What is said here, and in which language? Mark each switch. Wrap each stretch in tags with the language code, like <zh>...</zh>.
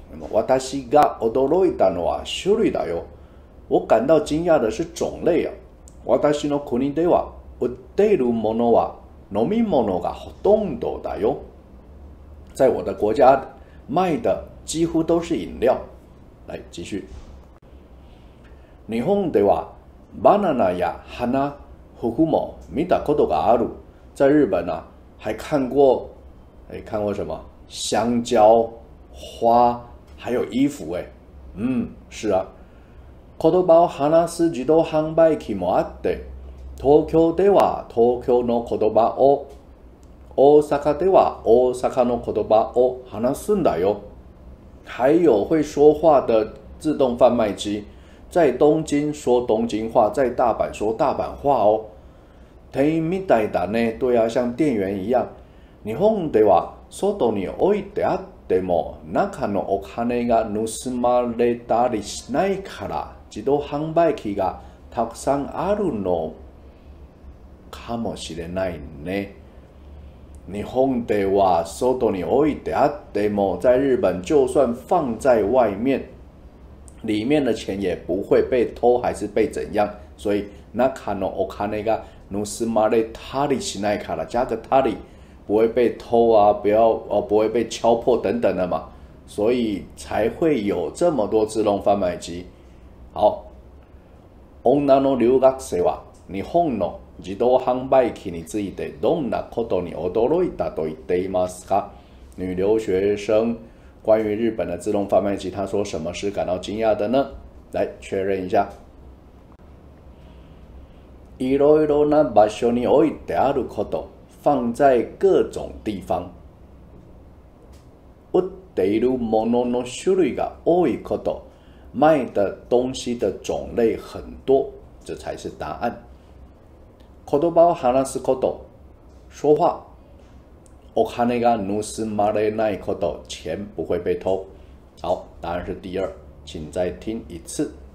<ja>私が驚いたのは種類だよ。</ja> <zh>我感到惊讶的是种类啊。</zh> <ja>私の国では売っているものは飲み物がほとんどだよ。</ja> <zh>在我的国家卖的几乎都是饮料。来继续。</zh> <ja>日本ではバナナや花、服も見たことがある。</ja> <zh>在日本啊，还看过，哎，看过什么？香蕉、花，还有衣服。哎，是啊。</zh> <ja>言葉を話す自動販売機もあって、東京では東京の言葉を、大阪では大阪の言葉を話すんだよ。</ja> <zh>还有会说话的自动贩卖机，在东京说东京话，在大阪说大阪话哦。</zh> <ja>店員みたいだね。</ja> <zh>对啊，像店员一样。</zh> <ja>日本では外に置いてあっても中のお金が盗まれたりしないから。自動販売機がたくさんあるのかもしれないね。日本では外に置いてあっても、</ja> <zh>在日本就算放在外面，里面的钱也不会被偷还是被怎样。所以</zh> <ja>中のお金が盗まれたりしないから，</ja> <zh>加个</zh> <ja>たり，</ja> <zh>不会被偷啊，不会被敲破等等的嘛。所以才会有这么多自动贩卖机。</zh> <ja>好，女の留学生は日本の自動販売機についてどんなことに驚いたと言っていますか？</ja> <zh>女留学生关于日本的自动贩卖机，她说什么事感到惊讶的呢？来确认一下。</zh> <ja>いろいろな場所に置いてあること，</ja> <zh>放在各种地方。</zh> <ja>売っているものの種類が多いこと。</ja> <zh>卖的东西的种类很多，这才是答案。</zh> <ja>言葉を話すこと，</ja> <zh>说话。</zh> <ja>お金が盗まれないこと，</ja> <zh>钱不会被偷。好，答案是第二，请再听一次。</zh>